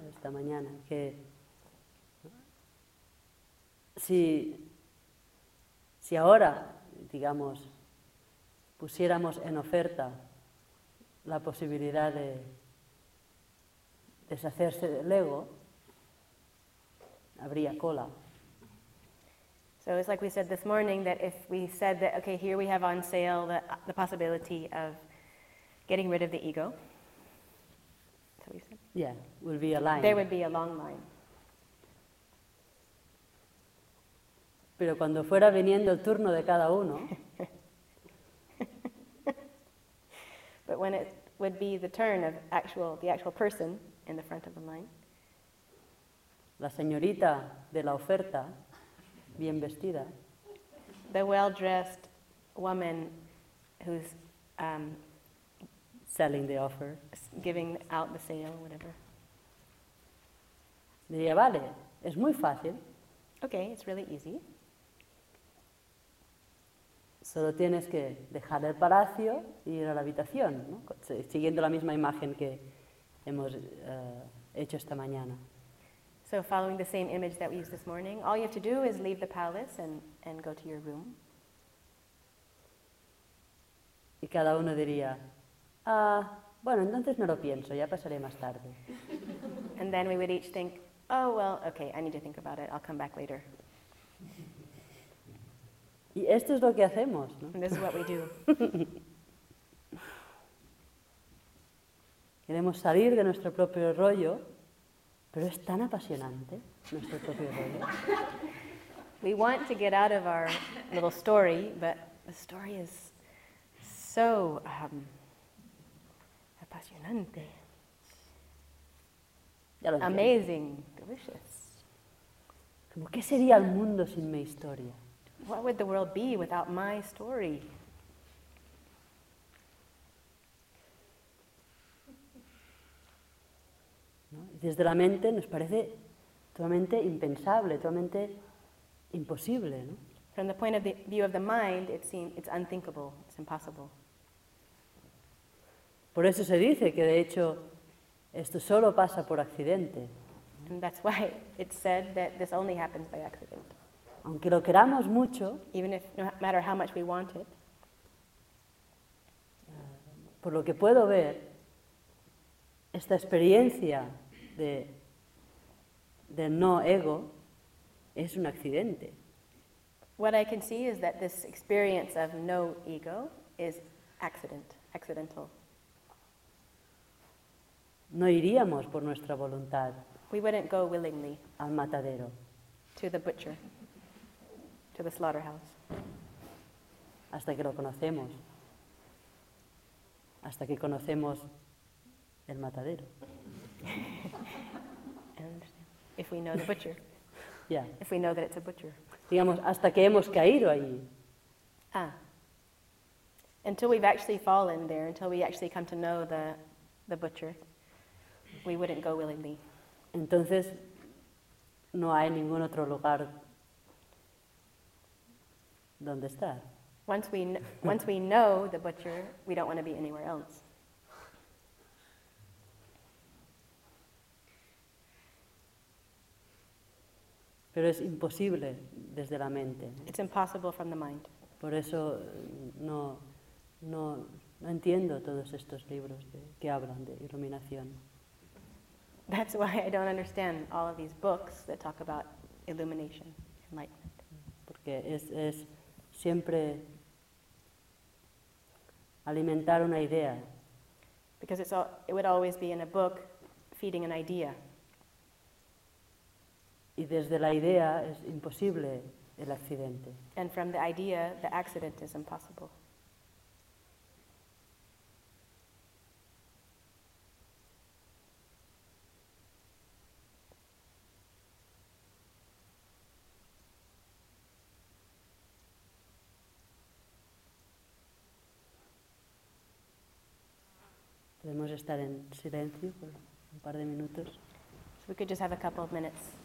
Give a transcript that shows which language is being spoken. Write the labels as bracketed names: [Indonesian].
[Spanish] Esta mañana, que si ahora, digamos, pusiéramos en oferta la posibilidad de deshacerse del ego, habría cola. [English] So it's like we said this morning that if we said that, okay, here we have on sale the possibility of getting rid of the ego. So we said. Yeah, would be a line. There would be a long line. [Spanish] Pero cuando fuera viniendo el turno de cada uno. [English] But when it would be the turn of the actual person in the front of the line. [Spanish] La señorita de la oferta, bien vestida. [English] The well-dressed woman who's selling the offer. Giving out the sale, whatever. [Spanish] Diría, vale, es muy fácil. [English] Okay, it's really easy. [Spanish] Solo tienes que dejar el palacio y ir a la habitación, ¿no? Siguiendo la misma imagen hemos hecho esta mañana. [English] So following the same image that we used this morning, all you have to do is leave the palace and go to your room. [Spanish] Y cada uno diría, ah, bueno, entonces no lo pienso, ya pasaré más tarde. [English] And then we would each think, oh, well, okay, I need to think about it, I'll come back later. [Spanish] Y esto es lo que hacemos, ¿no? [English] And this is what we do. [Spanish] Queremos salir de nuestro propio rollo, pero es tan apasionante nuestro propio rollo. [English] We want to get out of our little story, but the story is so apasionante. [Spanish] Ya lo entiendo. [English] Amazing, delicious. [Spanish] ¿Cómo qué sería el mundo sin mi historia? [English] What would the world be without my story? [Spanish] Desde la mente nos parece totalmente impensable, totalmente imposible, ¿no? [English] From the point of the view of the mind, it seems it's unthinkable, it's impossible. [Spanish] Por eso se dice que de hecho esto solo pasa por accidente. [English] And that's why it's said that this only happens by accident. [Spanish] Aunque lo queramos mucho, [English] even if no matter how much we want it, [Spanish] por lo que puedo ver, esta experiencia de no ego es un accidente. [English] What I can see is that this experience of no ego is accidental. [Spanish] No iríamos por nuestra voluntad. [English] We wouldn't go willingly [Spanish] al matadero. [English] To the butcher. To the slaughterhouse. [Spanish] Hasta que lo conocemos. Hasta que conocemos el matadero. [English] If we know the butcher. Yeah. If we know that it's a butcher. [Spanish] Digamos, hasta que hemos caído allí. Ah. [English] Until we've actually fallen there, until we actually come to know the butcher, we wouldn't go willingly. [Spanish] Entonces, no hay ningún otro lugar donde estar. [English] Once we know the butcher, we don't want to be anywhere else. [Spanish] Pero es imposible desde la mente. [English] It's impossible from the mind. [Spanish] Por eso no entiendo todos estos libros que hablan de iluminación. [English] That's why I don't understand all of these books that talk about illumination, enlightenment. [Spanish] Porque es siempre alimentar una idea. [English] Because it would always be in a book feeding an idea. [Spanish] Y desde la idea es imposible el accidente. [English] And from the idea, the accident is impossible. [Spanish] Podemos estar en silencio por un par de minutos. [English] So we could just have a couple of minutes.